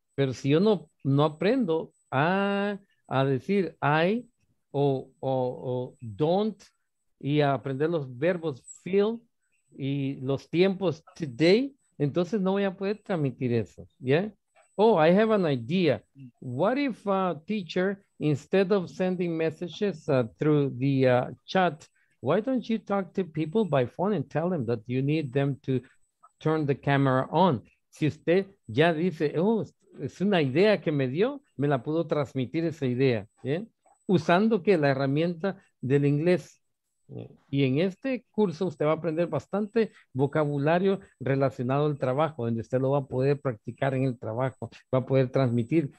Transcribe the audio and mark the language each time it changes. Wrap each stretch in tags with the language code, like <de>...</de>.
<es>Pero si yo no aprendo a decir I o don't, y a aprender los verbos feel y los tiempos today, entonces no voy a poder transmitir eso, ¿ya?</es> <en>¿Sí? Oh, I have an idea. What if a teacher, instead of sending messages through the chat, why don't you talk to people by phone and tell them that you need them to turn the camera on?</en> <es>Si usted ya dice, es una idea que me dio, me la pudo transmitir esa idea, ¿bien? Usando que la herramienta del inglés. Y en este curso usted va a aprender bastante vocabulario relacionado al trabajo, donde usted lo va a poder practicar en el trabajo, va a poder transmitir.</es>